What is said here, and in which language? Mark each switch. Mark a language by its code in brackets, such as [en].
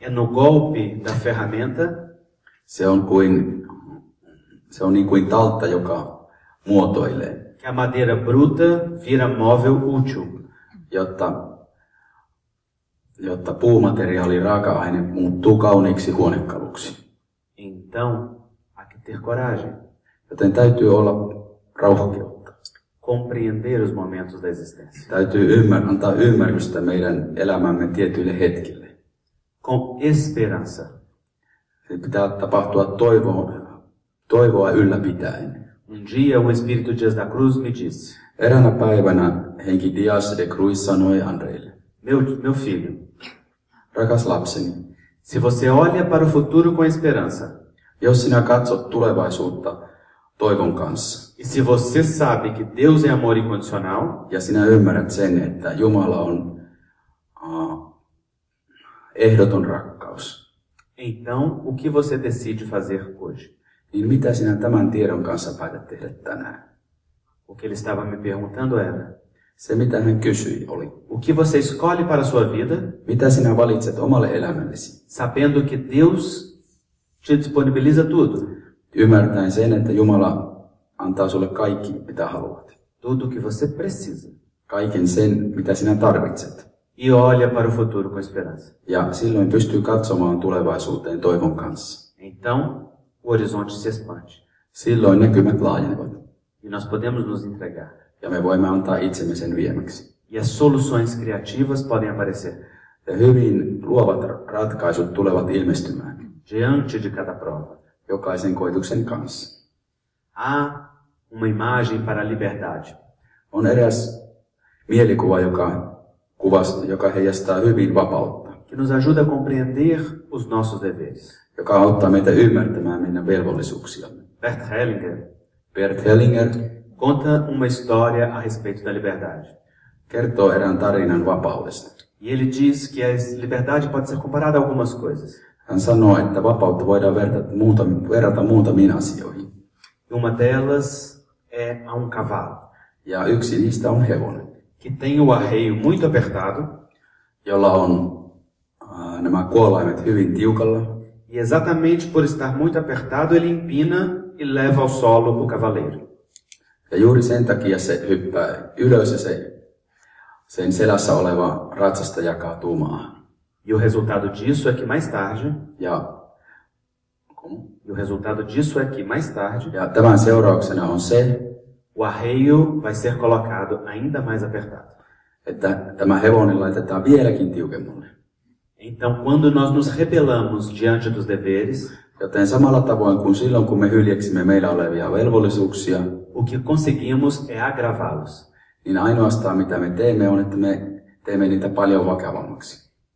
[pt] É no golpe da ferramenta. [fi] Se on niin kuin taltta, joka muotoilee. [pt] Que a madeira bruta vira móvel útil. [fi] Jotta puumateriaali, raaka-aine muuttuu kauniiksi huonekaluksi. [pt] Então, há que ter coragem. [fi] Joten täytyy olla rauhkeutta. [pt] Compreender os momentos da existência. [fi] Täytyy antaa ymmärrystä meidän elämämme tietyille hetkille. [pt] Com esperança. [fi] Se pitää tapahtua toivoa ylläpitäen. [pt] Um dia, o Espírito Dias da Cruz me disse. [fi] Eräänä päivänä Henki Dias de Cruz sanoi Andreille. [pt] Meu filho. [fi] Rakas lapseni. [pt] Se você olha para o futuro com esperança. [fi] Jos sinä katsot tulevaisuutta toivon kanssa. [pt] E se você sabe que Deus é amor incondicional. [fi] Ja sinä ymmärrät sen, että Jumala on ehdoton rakkaus. [pt] Então, o que você decide fazer hoje? [fi] Niin mitä sinä tämän tiedon kanssa päätät tehdä tänään? [pt] O que ele estava me perguntando era. [fi] Se mitä hän kysyi oli. [pt] O que você escolhe para a sua vida? [fi] Mitä sinä valitset omalle elämällesi? [pt] Sabendo que Deus te disponibiliza tudo. [fi] Ymmärtäen sen, että Jumala antaa sulle kaikki, mitä haluat. [pt] Tudo que você precisa. [fi] Kaiken sen, mitä sinä tarvitset. [pt] E olha para o futuro com esperança. [fi] Ja silloin pystyy katsomaan tulevaisuuteen toivon kanssa. [pt] Então, o horizonte se expande. [fi] Silloin näkymät laajenevat. [pt] E nós podemos nos entregar. [fi] Ja me voimme antaa itsemme sen viemäksi. [pt] E as soluções criativas podem aparecer. [fi] Ja hyvin luovat ratkaisut tulevat ilmestymään. [pt] Diante de cada prova. [fi] Jokaisen koetuksen kanssa. [pt] Há uma imagem para a liberdade. [fi] On eräs mielikuva, joka heijastaa hyvin vapautta. [pt] Que nos ajuda a compreender os nossos deveres. [fi] Joka auttaa meitä ymmärtämään meidän velvollisuuksiamme. [pt] Bert Hellinger. [fi] Bert Hellinger [pt] conta uma história a respeito da liberdade. [fi] Kertoo erään tarinan vapaudesta. [pt] E ele diz que a liberdade pode ser comparada a algumas coisas. [fi] Hän sanoo, että vapautta voidaan verrata muutamiin asioihin. [pt] E uma delas é a um cavalo. [fi] Ja yksi niistä on hevonen. [pt] Que tem o arreio muito apertado. [fi] Jolla on nämä kuolaimet hyvin tiukalla. [pt] E exatamente por estar muito apertado, ele empina e leva ao solo o cavaleiro. [fi] Ja juuri sen takia se hyppää ylös ja sen selässä oleva ratsastaja kaatuu maahan. [pt] E o resultado disso é que mais tarde. [fi] Ja. [pt] Como? E o resultado disso é que mais tarde. [fi] Ja tämän seurauksena on se. [pt] O arreio vai ser colocado ainda mais apertado. [fi] Että tämä hevonen laitetaan vieläkin tiukemmalle. [pt] Então, quando nós nos rebelamos diante dos deveres, [fi] joten samalla tavoin kuin silloin, kun me hyljeksimme meillä olevia velvollisuuksia, [pt] o que conseguimos é agravá-los. [fi] Niin ainoastaan mitä me teemme on, että me teemme niitä paljon vakavammaksi.